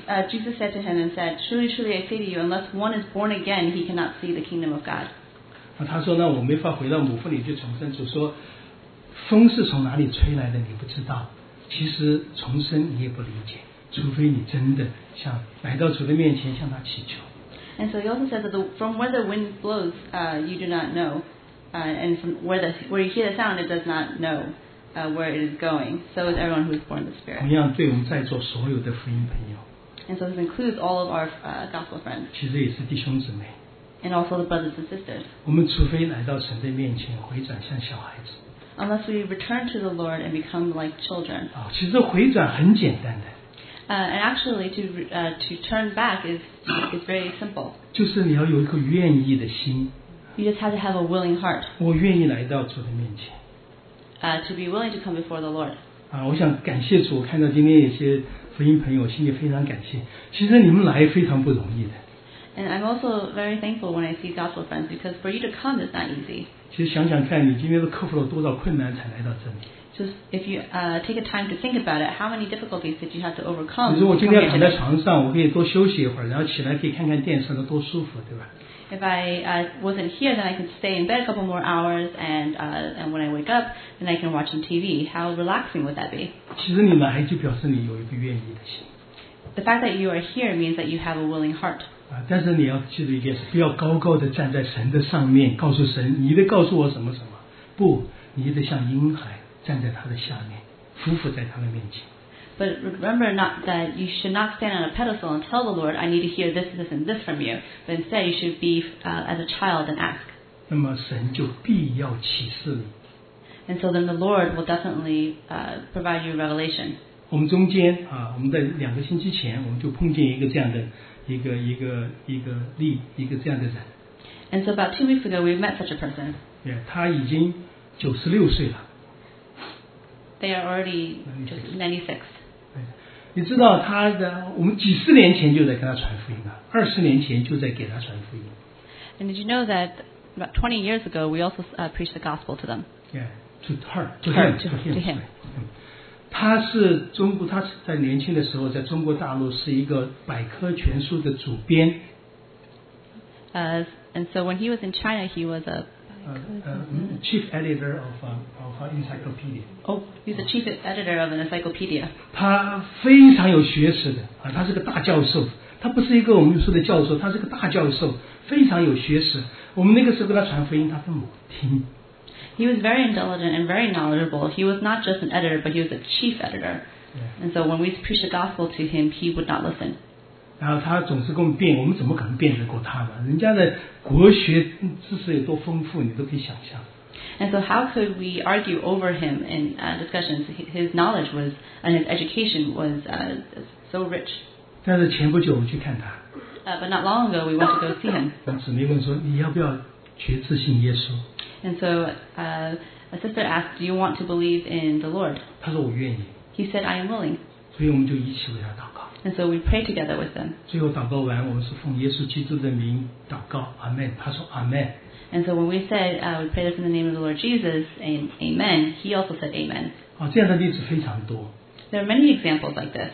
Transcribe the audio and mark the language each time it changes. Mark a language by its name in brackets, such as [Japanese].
[English] Jesus said to him and said, "Truly, truly, I say to you, unless one is born again, he cannot see the kingdom of God." [Chinese] 他说：“那我没法回到母腹里去重生。” 主说：“风是从哪里吹来的，你不知道；其实重生你也不理解。” 除非你真的向来到主的面前向他祈求。 [English] And so he also says that from where the wind blows, you do not know, and from where you hear the sound, it does not know, where it is going. So is everyone who is born of the Spirit. [Chinese] 同样，对我们在座所有的福音朋友。 [English] And so this includes all of our gospel friends. [Chinese] 其实也是弟兄姊妹。 [English] And also the brothers and sisters. [Chinese] 我们除非来到神的面前，回转向小孩子。 [English] Unless we return to the Lord and become like children. [Chinese] 其实回转很简单的。 [English] And actually, to turn back is very simple. [Chinese] 就是你要有一个愿意的心。 [English] You just have to have a willing heart. [Chinese] 我愿意来到主的面前。 [English] To be willing to come before the Lord. [Chinese] 我想感谢主，看到今天一些福音朋友，心里非常感谢。其实你们来非常不容易的。 [English] And I'm also very thankful when I see gospel friends because for you to come is not easy. [Chinese] 其实想想看，你今天都克服了多少困难才来到这里。 [English] Just if you take a time to think about it, how many difficulties did you have to overcome? [Chinese] 你说我今天躺在床上，我可以多休息一会儿，然后起来可以看看电视，那多舒服，对吧？ [English] If I wasn't here, then I could stay in bed a couple more hours, and when I wake up, then I can watch some TV. How relaxing would that be? [Chinese] 其实你来就表示你有一个愿意的心。 [English] The fact that you are here means that you have a willing heart. [Chinese] 但是你要记住一件事，不要高高的站在神的上面，告诉神，你得告诉我什么什么。不，你得像婴孩。站在他的下面，匍匐在他的面前。 [English] But remember not that you should not stand on a pedestal and tell the Lord, I need to hear this, this, and this from you. But instead, you should be as a child and ask. [Chinese] 那么神就必要启示你。 [English] And so then the Lord will definitely provide you revelation. [Chinese] 我们中间啊，我们在两个星期前，我们就碰见一个这样的一个这样的人。 [English] And so about 2 weeks ago, we met such a person. [Chinese] Yeah, 他已经96岁了。 [English] They are already just 96. [Chinese] 你知道他的，我们几十年前就在跟他传福音了，二十年前就在给他传福音。 [English] And did you know that about 20 years ago, we also preached the gospel to them? Yeah, to her, to him, to him. To him. [Chinese] 他是中国，他在年轻的时候在中国大陆是一个百科全书的主编。 [English] And so when he was in China, he was a chief editor of an encyclopedia. Oh, he's the chief editor of an encyclopedia. [Chinese] 他非常有学识的啊，他是个大教授，他不是一个我们说的教授，他是个大教授，非常有学识。我们那个时候跟他传福音，他都没听。 [English] He was very intelligent and very knowledgeable. He was not just an editor, but he was a chief editor. And so when we preached the gospel to him, he would not listen. [Chinese] 然后他总是跟我们辩，我们怎么可能辩得过他呢？人家的国学知识有多丰富，你都可以想象。 [English] And so how could we argue over him in discussions? His knowledge was, and his education was so rich. [Chinese] 但是前不久我们去看他。 [English] But not long ago, we went to go see him. [Chinese] 那姊妹问说，你要不要学自信耶稣？ [English] And so a sister asked, do you want to believe in the Lord? [Chinese] 他说我愿意。 [English] He said, I am willing. [Chinese] 所以我们就一起为他祷告。 [English] And so we prayed together with them. [Chinese] 最后祷告完，我们是奉耶稣基督的名祷告，阿门。他说阿门。 [English] And so when we said, we prayed this in the name of the Lord Jesus, and amen, he also said amen. [Chinese] 啊，这样的例子非常多。 [English] There are many examples like this.